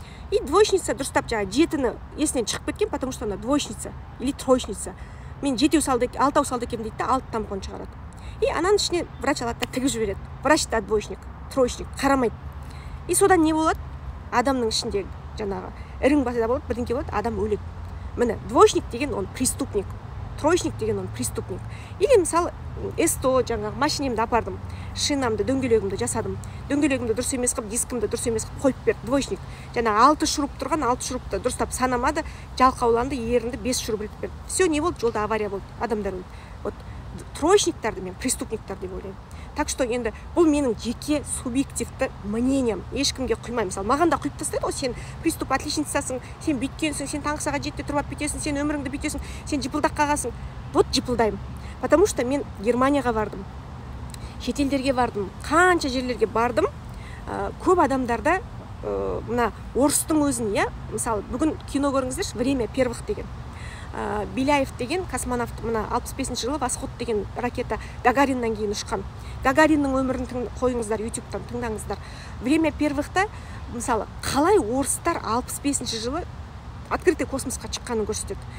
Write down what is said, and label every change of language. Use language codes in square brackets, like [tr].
[ru] И двоечница [kk] дұрыстап жаңағы жетіні есінен шығып кеткен, [ru] потому что она двоечница или троечница. [kk] Мен жетеу салды, алтау салды екенмін дейді да, 6 тампон шығарады. И ананың ішіне врач алады да тігіп жібереді. Врач та двоечник, троечник, қарамайды. И содан не болады? Адамның ішінде жаңағы ірің басыда болады, бірдеңке болады, адам өледі. Міне, двоечник деген он преступник, троечник деген он преступник. Или мысалы СТО жаңағы машинемді апардым, шинамды, дөңгелегімді жасадым, дөңгелегімді дұрыс емес қылып, дискімді дұрыс емес қылып қойып берді, двоечник. Жаңағы 6 шуруп тұрған, 6 шурупты дұрыстап санамады, жалқауланды, ерінді, 5 шуруп іліп берді, все, не болды? Жолда авария болды, адамдар өлді. Вот троечниктарды мен преступниктарды деп ойлаймын. [ru] Так что [kk] енді бұл менің жеке субъективті мнением. Ешкімге құймай, мысалы, маған да құйып тастайды, ол сен преступ отличницасың, сен бүйткенсің, сен таңғы сағат 7-те тұрып бүйтесің, сен өміріңді бүйтесің, сен жыпылдақ қағасың. Вот жыпылдаймын. Потому что мен Германияға бардым. Шетелдерге бардым. Қанша жерлерге бардым. Көп адамдарда мына орыстың өзін, иә, мысалы, бүгін кино көріңіздерші, Время первых деген. Беляев деген космонавт, мына 65-ші жылы Восход деген ракета Гагариннан кейін ұшқан. Гагариннің өмірін қойыңыздар, YouTube-тан тыңдаңыздар. Время первых-та, мысалы, қалай орыстар 65-ші жылы открытый космосқа шыққанын көрсетеді.